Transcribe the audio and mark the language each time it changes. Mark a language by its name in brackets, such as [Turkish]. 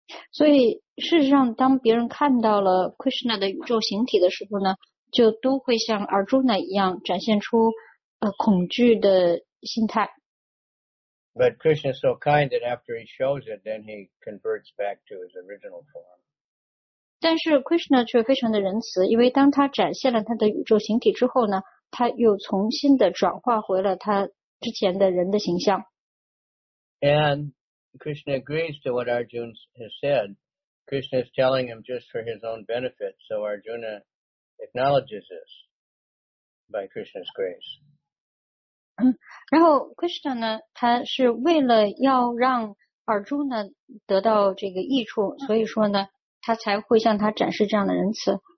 [Chinese] 所以事实上当别人看到了 Krishna 的宇宙形体的时候呢就都会像 Arjuna 一样展现出恐惧的心态。 [English] But Krishna is so kind that after he shows it, then he converts back to his original form. [Chinese] 但是 Krishna 却非常的仁慈因为当他展现了他的宇宙形体之后呢他又重新的转化回了他之前的人的形象。 [English] And Krishna agrees to what Arjuna has said. Krishna is telling him just for his own benefit, so Arjuna acknowledges this by Krishna's grace. [Chinese] 然后 Krishna 呢，他是为了要让 Arjuna 得到这个益处，所以说呢，他才会向他展示这样的仁慈。